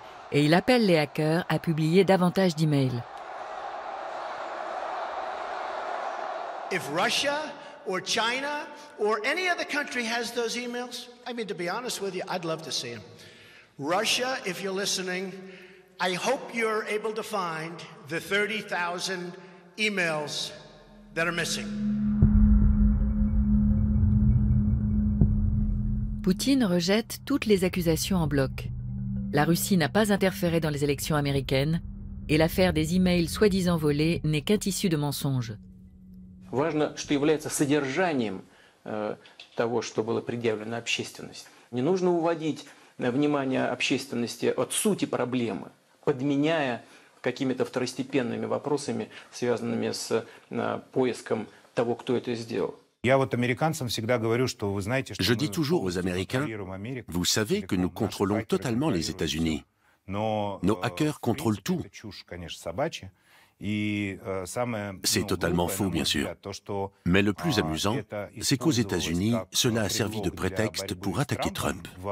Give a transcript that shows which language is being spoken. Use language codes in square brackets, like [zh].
[fr] Et il appelle les hackers à publier davantage d'emails. [en] If Russia or China or any other country has those emails, I mean to be honest with you, I'd love to see them. Russia, if you're listening, I hope you're able to find the 30,000 emails that are missing. [fr] Poutine rejette toutes les accusations en bloc. La Russie n'a pas interféré dans les élections américaines et l'affaire des emails soi-disant volés n'est qu'un tissu de mensonges. [ru] Важно, что является содержанием того, что было предъявлено общественности. Не нужно уводить внимание общественности от сути проблемы, подменяя какими-то второстепенными вопросами, связанными с поиском того, кто это сделал. [fr] Je dis toujours aux Américains, vous savez que nous contrôlons totalement les États-Unis. Nos hackers contrôlent tout. C'est totalement faux, bien sûr. Mais le plus amusant, c'est qu'aux États-Unis, cela a servi de prétexte pour attaquer Trump.